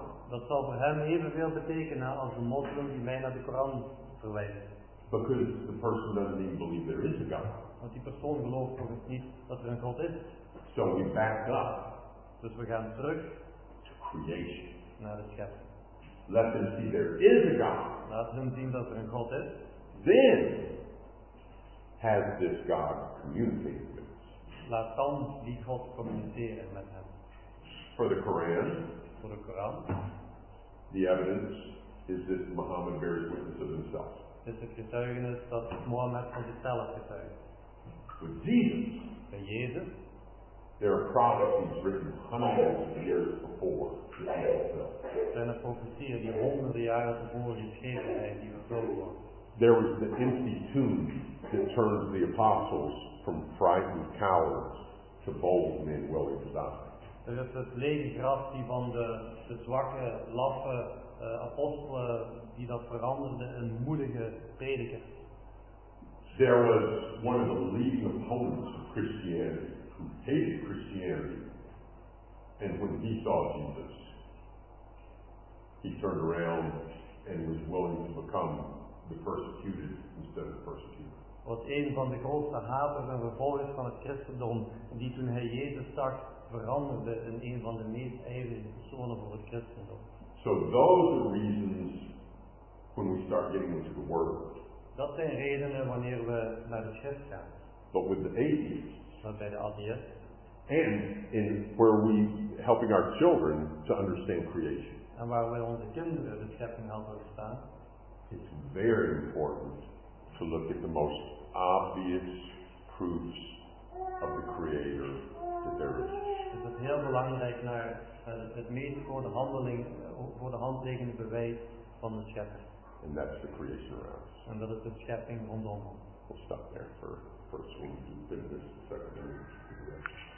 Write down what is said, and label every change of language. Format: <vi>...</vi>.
<nl>Dat zal voor hem evenveel betekenen als een moslim die mij naar de Koran verwijst.</nl> <en>Because the person doesn't even believe there is a God.</en> <nl>Want die persoon gelooft nog eens niet dat er een God is.</nl> <en>So we back up.</en> <nl>Dus we gaan terug</nl> <en>to creation.</en> <nl>Naar de schepping.</nl> <en>Let them see there is a God.</en> <nl>Laat hem zien dat er een God is.</nl> <en>Then has this God communicated with us.</en> <nl>Laat dan die God communiceren met hem.</nl> <en>For the Quran, for the Quran, the evidence is that Muhammad bears witness of himself.</en> <nl>Is het getuigenis dat Mohammed van zichzelf getuigt?</nl> <en>With Jesus,</en> <nl>bij Jezus,</nl> <en>there are prophecies written hundreds of years before the Quran itself.</en> <nl>Zijn er profetieën die honderden jaren tevoren geschreven zijn die vervuld worden?</nl> <en>There was the empty tomb that turned the apostles from frightened cowards to bold men willing to die.</en> <nl>Er is het lege graf die van de zwakke, laffe apostelen die dat veranderde in moedige prediker.</nl> <en>There was one of the leading opponents of Christianity who hated Christianity, and when he saw Jesus, he turned around and was willing to become the persecuted instead of the persecutor.</en> <nl>Was een van de grootste haters en vervolgers van het christendom die toen hij Jezus zag veranderde in een van de meest eeuwige personen van het christendom.</nl> <en>So those are reasons when we start getting into the Word.</en> <nl>Dat zijn redenen wanneer we naar het schrift gaan.</nl> <en>But with the atheists.</en> <nl>Maar bij de atheïsten.</nl> <en>And in where we helping our children to understand creation.</en> <nl>En waar we onze kinderen de schepping helpen verstaan.</nl> <en>It's very important to look at the most obvious proofs of the Creator that there is.</en> <nl>Is het heel belangrijk naar het meest voor de handeling, voor de handtekening bewijs van de schepper.</nl> <en>And that's the creation around us.</en> <nl>En dat is de schepping rondom.</nl> <en>We'll stop there for first week. We'll do this second week.</en>